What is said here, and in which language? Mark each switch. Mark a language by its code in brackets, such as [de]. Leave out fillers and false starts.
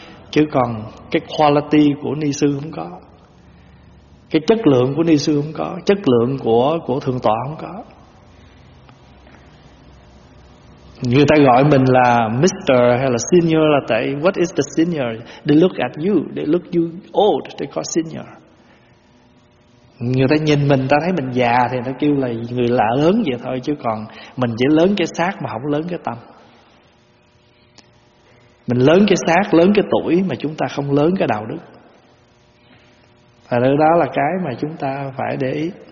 [vi] Chứ còn cái quality của ni sư không có, cái chất lượng của ni sư không có, chất lượng của thượng tọa không có. Người ta gọi mình là Mr. hay là Senior là tại [en] what is the senior? They look at you, they look you old, they call senior. [vi] Người ta nhìn mình, ta thấy mình già thì ta kêu là người lạ lớn vậy thôi. Chứ còn mình chỉ lớn cái xác mà không lớn cái tâm. Mình lớn cái xác, lớn cái tuổi mà chúng ta không lớn cái đạo đức. Và đó là cái mà chúng ta phải để ý.